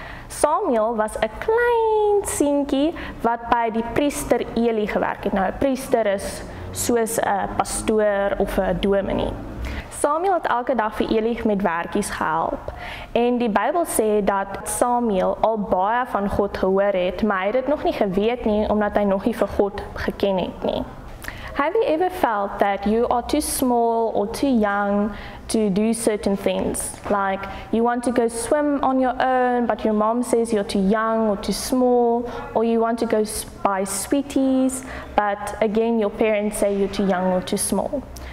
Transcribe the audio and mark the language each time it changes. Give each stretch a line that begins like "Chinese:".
Afrikaans: Samuel was een klein sientjie wat bij die priester Eli gewerk het. Nou, een priester is soos een pastoor of een dominee. Samuel het elke dag vir Eli met werkies gehelp. En die Bijbel sê dat Samuel al baie van God gehoor het, maar hy het dit nog nie geweet nie, omdat hy nog nie vir God geken het nie.
English: Have you ever felt that you are too small or too young to do certain things? Like, you want to go swim on your own, but your mom says you're too young or too small, or you want to go buy sweeties, but again your parents say you're too young or too small.